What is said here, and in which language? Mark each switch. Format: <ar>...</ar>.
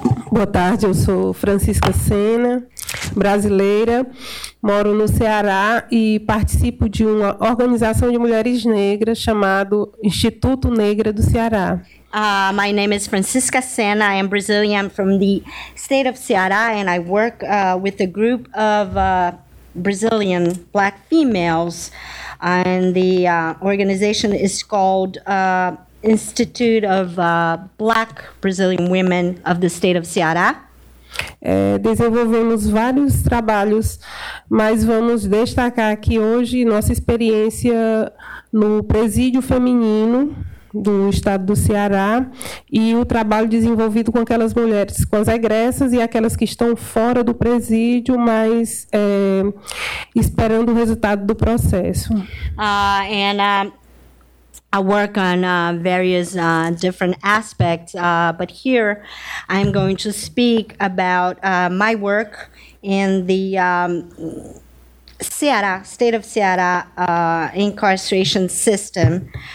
<pt>Boa tarde, eu sou Francisca Sena, brasileira, moro no Ceará e participo de uma organização de mulheres negras chamado Instituto Negra do Ceará.</pt> <en>My name is Francisca Sena. I am Brazilian from the state of Ceará, and I work with a group of Brazilian Black females. And the organization is called Institute of Black Brazilian Women of the State of Ceará.</en> <pt>Desenvolvemos vários trabalhos, mas vamos destacar aqui hoje nossa experiência no presídio feminino do estado do Ceará e o trabalho desenvolvido com aquelas mulheres, com as egressas e aquelas que estão fora do presídio, mas esperando o resultado do processo.</pt> <en>I work on various different aspects, but here I'm going to speak about my work in the Ceará, state of Ceará incarceration system.</en>